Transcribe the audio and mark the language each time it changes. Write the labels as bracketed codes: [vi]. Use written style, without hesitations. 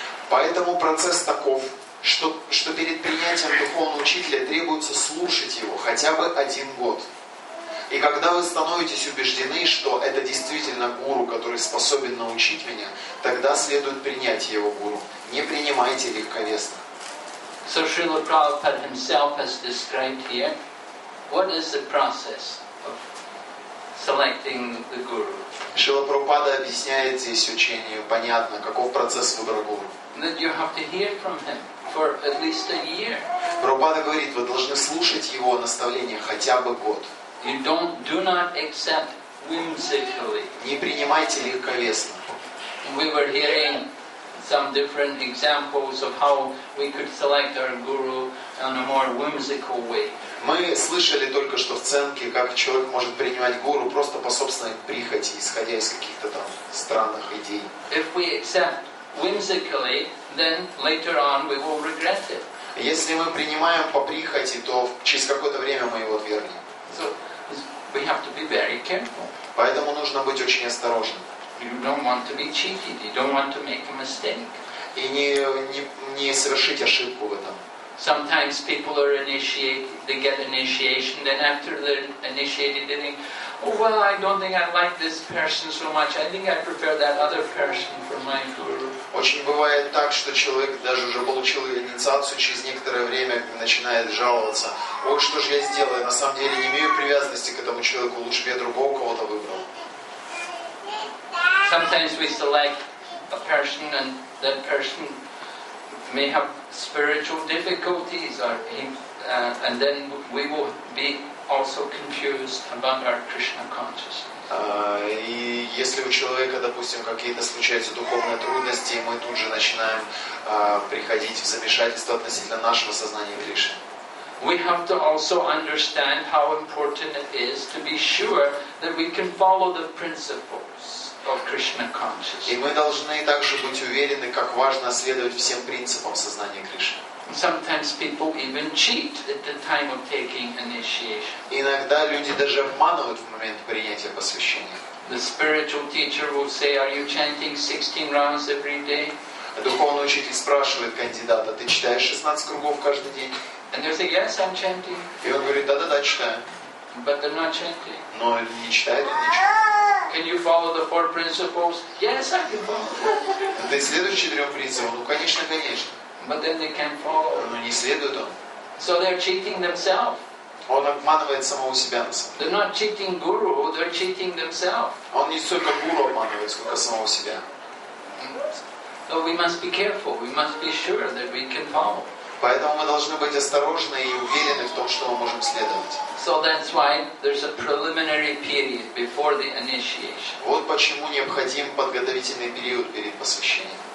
[ru] Поэтому процесс таков, что перед принятием духовного учителя требуется слушать его хотя бы один год. И когда вы становитесь убеждены, что это действительно гуру, который способен научить меня, тогда следует принять его гуру. Не принимайте легковесно. [en] So Srila Prabhupada himself has described here, what is the process of selecting the guru? [ru] Srila Prabhupada объясняет здесь учение, понятно, каков процесс выбора гуру. [en] That you have to hear from him for at least a year. [ru] Прабхупада говорит, вы должны слушать его наставления хотя бы год. [en] You do not accept whimsically. [ru] Не принимайте легковесно. [en] We were hearing some different examples of how we could select our guru in a more whimsical way. [ru] Мы слышали только что в Ценке, как человек может принимать гуру просто по собственной прихоти, исходя из каких-то там странных идей. [en] If we accept whimsically, then later on we will regret it. [ru] Если мы принимаем по прихоти, то через какое-то время мы его отвергнем. [en] So we have to be very careful. [ru] Поэтому нужно быть очень осторожным. [en] You don't want to be cheated. You don't want to make a mistake. [ru] И не совершить ошибку в этом. [en] Sometimes people are initiated. They get initiation. Then after they're initiated, they think, "Oh well, I don't think I like this person so much. I think I prefer that other person for my guru." [ru] Очень бывает так, что человек даже уже получил инициацию, через некоторое время начинает жаловаться. Ой, что же я сделал? Я на самом деле не имею привязанности к этому человеку. Лучше бы я другого кого-то выбрал. [en] Sometimes we select a person and that person may have spiritual difficulties and then we will be also confused about our Krishna consciousness. [ru] И если у человека, допустим, какие-то случаются духовные трудности, мы тут же начинаем приходить в замешательство относительно нашего сознания Кришны. [en] We have to also understand how important it is to be sure that we can follow the principles of Krishna consciousness. [ru] И мы должны также быть уверены, как важно следовать всем принципам сознания Кришны. [en] Sometimes people even cheat at the time of taking initiation. [ru] Иногда люди даже обманывают в момент принятия посвящения. [en] The spiritual teacher will say, "Are you chanting 16 rounds every day?" [ru] Духовный учитель спрашивает кандидата, "Ты читаешь 16 кругов каждый день?" [en] And they say, "Yes, I'm chanting." [ru] И он говорит, "Да-да-да, читаю." [en] But they're not chanting. [ru] Но не читает, не читает. [en] Can you follow the four principles? Yes, I can follow. [ru] Ты следуешь четырем принципам? Ну, конечно, конечно. [en] But then they can't follow. [ru] Но не следует он. [en] So they're cheating themselves. [ru] Он обманывает самого себя. [en] They're not cheating guru, they're cheating themselves. [ru] Он не столько гуру обманывает, сколько самого себя. [en] So we must be careful. We must be sure that we can follow. [ru] Поэтому мы должны быть осторожны и уверены в том, что мы можем следовать. [en] So that's why there's a preliminary period before the initiation. [ru] Вот почему необходим подготовительный период перед посвящением.